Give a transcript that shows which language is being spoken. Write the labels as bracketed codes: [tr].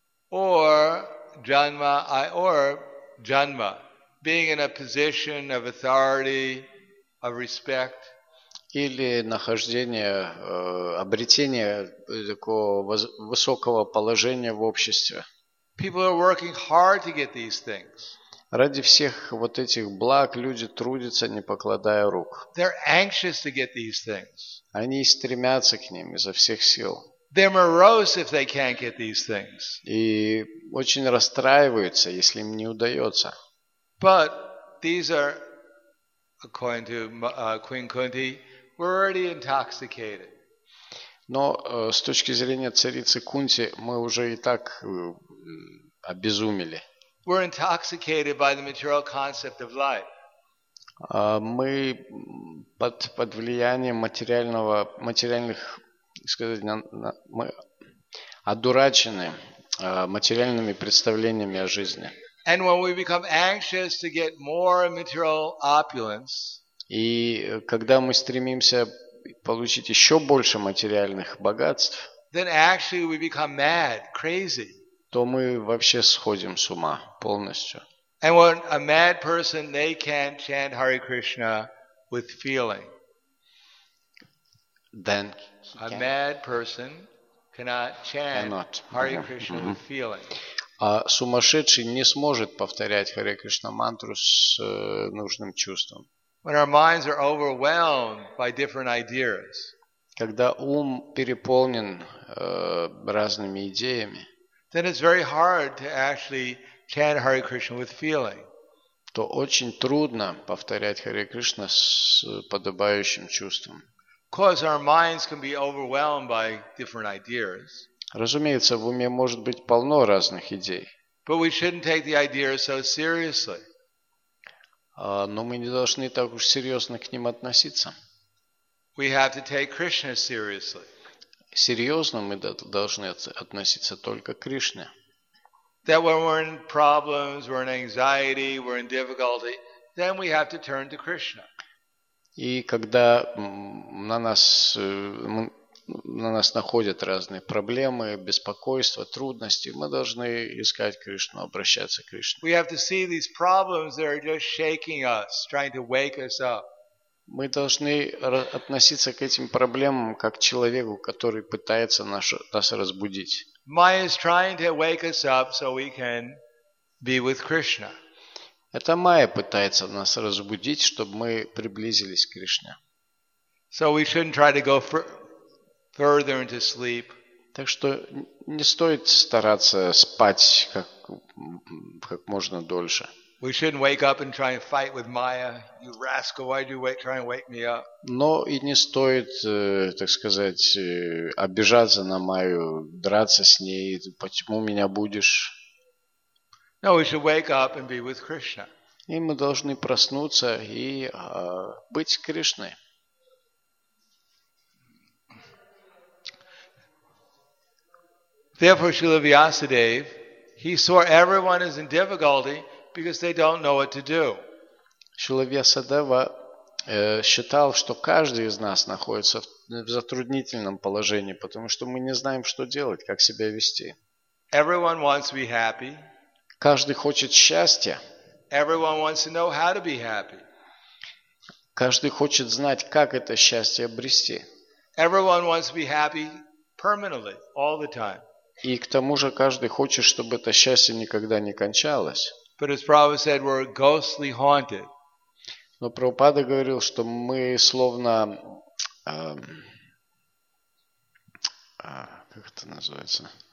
[en] or janma, being in a position of authority, of respect, [ru] или нахождение, обретение такого высокого положения в обществе. [en] People are working hard to get these things. [ru] Ради всех вот этих благ люди трудятся, не покладая рук. [en] They're anxious to get these things. [ru] Они стремятся к ним изо всех сил. [en] They're morose if they can't get these things. [ru] И очень расстраиваются, если им не удается. [en] But these are, according to Queen Kunti, we're already intoxicated. [ru] Но с точки зрения царицы Кунти мы уже и так обезумели. [en] We're intoxicated by the material concept of life. [ru] Мы под влиянием материальных, сказать, мы одурачены материальными представлениями о жизни. [en] And when we become anxious to get more material opulence, [ru] и когда мы стремимся получить еще больше материальных богатств, [en] then actually we become mad, crazy, [ru] то мы вообще сходим с ума полностью. [en] And when a mad person, they can't chant Hare Krishna with feeling. Then a mad person cannot chant cannot. Hare Krishna mm-hmm. with feeling. [ru] А сумасшедший не сможет повторять Hare Krishna мантру с нужным чувством. [en] When our minds are overwhelmed by different ideas. [ru] Когда ум переполнен разными идеями. [en] Then it's very hard to actually chant Hare Krishna with feeling. [ru] То очень трудно повторять Hare Krishna с подобающим чувством. [en] Because our minds can be overwhelmed by different ideas. [ru] Разумеется, в уме может быть полно разных идей. [en] But we shouldn't take the ideas so seriously. [ru] Но мы не должны так уж серьезно к ним относиться. [en] We have to take Krishna seriously. [ru] Серьезно мы должны относиться только к Кришне. [en] That when we're in problems, we're in anxiety, we're in difficulty, then we have to turn to Krishna. [ru] И когда на нас находят разные проблемы, беспокойства, трудности, мы должны искать Кришну, обращаться к Кришне. [en] We have to see these problems that are just shaking us, trying to wake us up. [ru] Мы должны относиться к этим проблемам как к человеку, который пытается нас разбудить. [en] Maya is trying to wake us up so we can be with Krishna. [ru] Это Майя пытается нас разбудить, чтобы мы приблизились к Кришне. [en] So we shouldn't try to go further into sleep. [ru] Так что не стоит стараться спать как можно дольше. [en] We shouldn't wake up and try and fight with Maya. You rascal, why do you try and wake me up? [ru] Но и не стоит, так сказать, обижаться на Майю, драться с ней. Почему меня будешь? [en] No, we should wake up and be with Krishna. [ru] И мы должны проснуться и быть с Кришной. [en] Therefore, Srila Vyasadeva, he saw everyone is in difficulty because they don't know what to do. [ru] Srila Vyasadeva считал, что каждый из нас находится в затруднительном положении, потому что мы не знаем, что делать, как себя вести. [en] Everyone wants to be happy. [ru] Каждый хочет счастья. [en] Everyone wants to know how to be happy. [ru] Каждый хочет знать, как это счастье обрести. [en] Everyone wants to be happy permanently, all the time. [ru] И к тому же каждый хочет, чтобы это счастье никогда не кончалось. [en] But as Prabhupada said, we're ghostly haunted. [ru] Но Прабхупада говорил, что мы словно как это называется?